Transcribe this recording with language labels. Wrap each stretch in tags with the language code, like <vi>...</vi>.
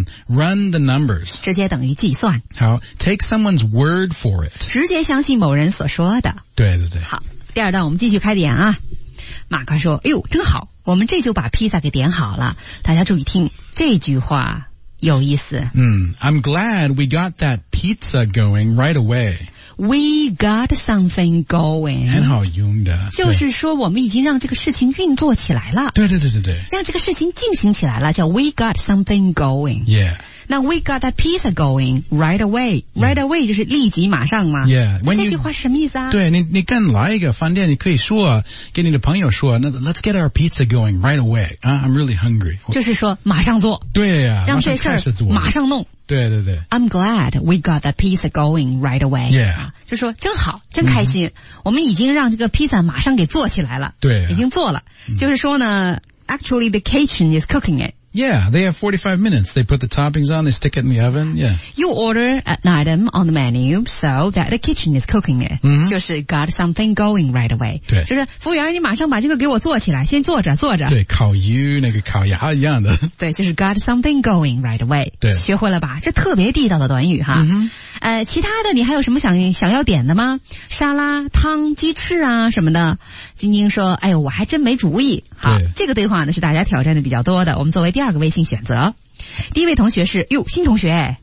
<en>Run the numbers.</en> <zh>直接等于计算。</zh> <en>好 ,take someone's word for it.</en> <zh>直接相信某人所说的。对对对。好第二段我们继续开点啊。马克说哎呦真好我们这就把披萨给点好了。大家注意听这句话有意思。</zh> <en>I'm glad we got that pizza going right away. We got something going.</en> <zh>很好用的。就是说我们已经让这个事情运作起来了。对对对对对。让这个事情进行起来了叫</zh> <en>we got something going. Yeah. 那 we got that pizza going right away.</en> <zh>Right away 就是立即马上嘛。</zh> <en>Yeah.</en> <zh>When 这句话是什么意思啊对你刚来一个饭店你可以说给你的朋友说</zh> <en>let's get our pizza going right away.、I'm really hungry.</en> <zh>就是说马上做。对呀、啊。让这事马上弄对对对</zh> <en>I'm glad we got the pizza going right away yeah、</en> <zh>啊、就说真好真开心、我们已经让这个披萨马上给做起来了对、啊、已经做了、就是说呢</zh> <en>actually the kitchen is cooking it yeah they have 45 minutes they put the toppings on they stick it in the oven yeah you order an item on the menu so that the kitchen is cooking it、就是 got something going right away</en> <zh>对就是服务员你马上把这个给我做起来先坐着坐着对烤鱼那个烤鸭一样的对就是</zh> <en>got something going right away</en> <zh>对学会了吧这特别地道的短语哈、其他的你还有什么想要点的吗沙拉汤鸡翅啊什么的晶晶说哎呦我还真没主意好这个对话呢是大家挑战的比较多的我们作为第二个微信选择第一位同学是哟新同学</zh>